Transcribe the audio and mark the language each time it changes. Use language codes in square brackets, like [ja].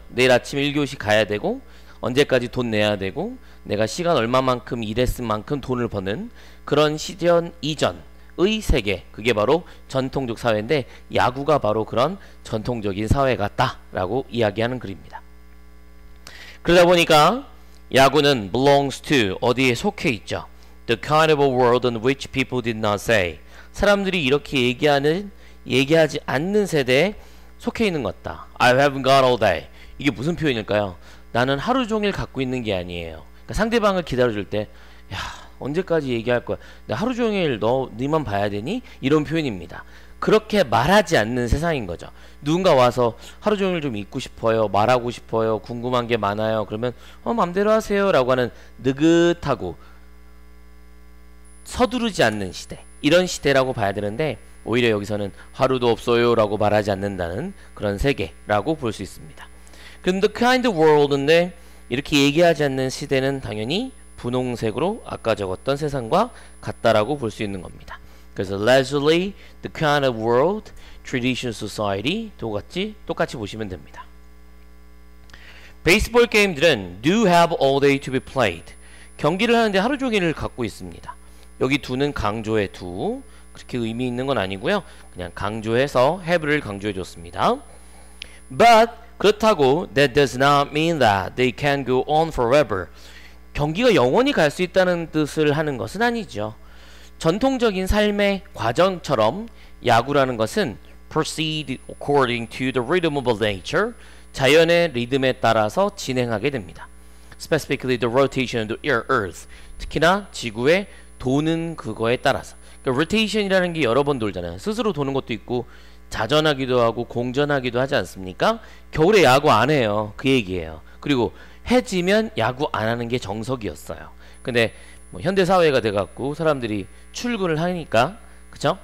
[ko] 내일 아침 1교시 가야 되고 언제까지 돈 내야 되고 내가 시간 얼마만큼 일했을 만큼 돈을 버는 그런 시전 이전의 세계, 그게 바로 전통적 사회인데 야구가 바로 그런 전통적인 사회 같다라고 이야기하는 글입니다. 그러다 보니까 야구는 [en] belongs to, [ko] 어디에 속해 있죠. [en] The kind of a world in which people did not say, [ko] 사람들이 이렇게 얘기하지 않는 세대에 속해 있는 것 같다. [en] I haven't got all day. [ko] 이게 무슨 표현일까요? 나는 하루 종일 갖고 있는 게 아니에요. 그러니까 상대방을 기다려줄 때, 야, 언제까지 얘기할 거야? 나 하루 종일 너, 니만 봐야 되니? 이런 표현입니다. 그렇게 말하지 않는 세상인 거죠. 누군가 와서 하루 종일 좀 있고 싶어요, 말하고 싶어요, 궁금한 게 많아요, 그러면 맘대로 하세요 라고 하는 느긋하고 서두르지 않는 시대, 이런 시대라고 봐야 되는데 오히려 여기서는 하루도 없어요 라고 말하지 않는다는 그런 세계라고 볼 수 있습니다. 근데 [en] the kind of world인데 [ko] 이렇게 얘기하지 않는 시대는 당연히 분홍색으로 아까 적었던 세상과 같다라고 볼 수 있는 겁니다. 그래서 [en] leisurely, the kind of world, tradition society, [ko] 똑같이 보시면 됩니다. [en] Baseball [ko] 게임들은 [en] do have all day to be played. [ko] 경기를 하는데 하루 종일을 갖고 있습니다. 여기 두는 강조의 두, 그렇게 의미 있는 건 아니고요. 그냥 강조해서 have를 강조해 줬습니다. [en] But, [ko] 그렇다고 [en] that does not mean that they can go on forever. [ko] 경기가 영원히 갈 수 있다는 뜻을 하는 것은 아니죠. 전통적인 삶의 과정처럼 야구라는 것은 [en] proceed according to the rhythm of nature, [ko] 자연의 리듬에 따라서 진행하게 됩니다. [en] Specifically the rotation of the earth, [ko] 특히나 지구의 도는 그거에 따라서. 그러니까 rotation이라는 게 여러 번 돌잖아요. 스스로 도는 것도 있고 자전하기도 하고 공전하기도 하지 않습니까? 겨울에 야구 안 해요. 그 얘기예요. 그리고 해지면 야구 안 하는 게 정석이었어요. 근데 뭐 현대사회가 돼갖고 사람들이 출근을 하니까, 그쵸?